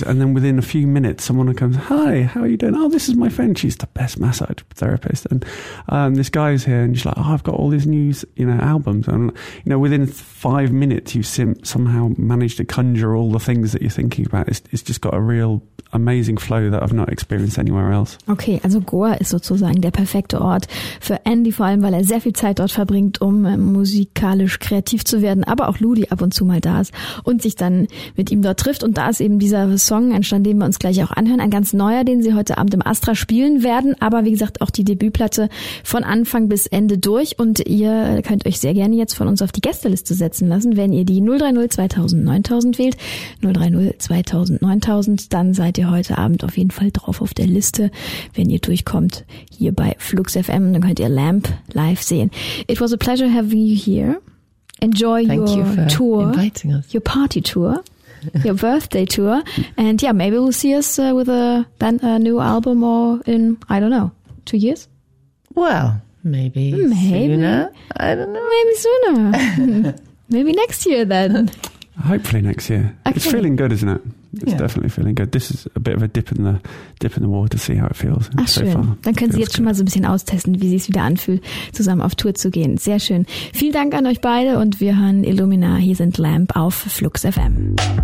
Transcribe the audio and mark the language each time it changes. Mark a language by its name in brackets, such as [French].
[English] And then within a few minutes, someone comes, hi, how are you doing? Oh, this is my friend. She's the best massage therapist. And this guy's here, and she's like, oh, I've got all these new, you know, albums. And, you know, within 5 minutes, you somehow managed to conjure all the things that you're thinking about. It's just got a real amazing flow that I've not experienced anywhere else. [German] Okay, also Goa ist sozusagen der perfekte Ort für Andy, vor allem, weil er sehr viel Zeit dort verbringt, um musikalisch kreativ zu werden, aber auch Ludi ab und zu mal da ist und sich dann mit ihm dort trifft. Und da ist ist eben dieser Song entstanden, den wir uns gleich auch anhören. Ein ganz neuer, den sie heute Abend im Astra spielen werden. Aber wie gesagt, auch die Debütplatte von Anfang bis Ende durch. Und ihr könnt euch sehr gerne jetzt von uns auf die Gästeliste setzen lassen, wenn ihr die 030 2000 9000 wählt. 030 2000 9000, dann seid ihr heute Abend auf jeden Fall drauf auf der Liste, wenn ihr durchkommt hier bei Flux FM. Dann könnt ihr Lamp live sehen. [English] It was a pleasure having you here. Enjoy your party tour, your birthday tour, and yeah, maybe we'll see us with a new album or in, I don't know, 2 years? Well, maybe sooner, I don't know. Maybe sooner, maybe next year then. Hopefully next year. Okay. It's feeling good, isn't it? It's definitely feeling good. This is a bit of a dip in the water to see how it feels. [German] Ach, so schön. Far. Dann können Sie jetzt schon mal so ein bisschen austesten, wie sie es wieder anfühlt, zusammen auf Tour zu gehen. Sehr schön. Vielen Dank an euch beide und wir hören Illumina. Hier sind Lamp auf Flux FM.